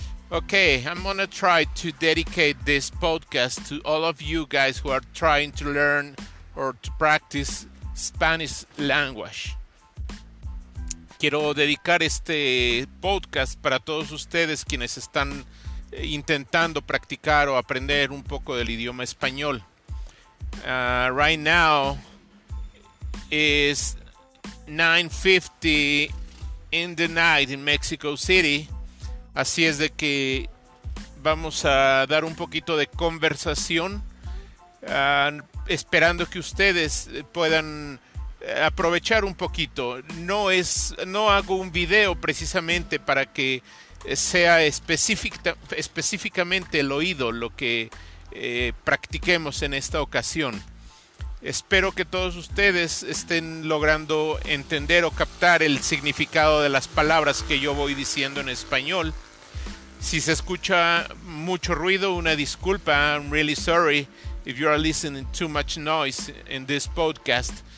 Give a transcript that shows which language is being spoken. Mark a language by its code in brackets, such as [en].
[en] Okay, I'm gonna try to dedicate this podcast to all of you guys who are trying to learn or to practice Spanish language. [es] Quiero dedicar este podcast para todos ustedes quienes están intentando practicar o aprender un poco del idioma español. [en] Right now is 9:50 in the night in Mexico City. [es] Así es de que vamos a dar un poquito de conversación, esperando que ustedes puedan aprovechar un poquito. No hago un video precisamente para que sea específicamente el oído lo que practiquemos en esta ocasión. Espero que todos ustedes estén logrando entender o captar el significado de las palabras que yo voy diciendo en español. Si se escucha mucho ruido, una disculpa. [en] I'm really sorry if you are listening to too much noise in this podcast.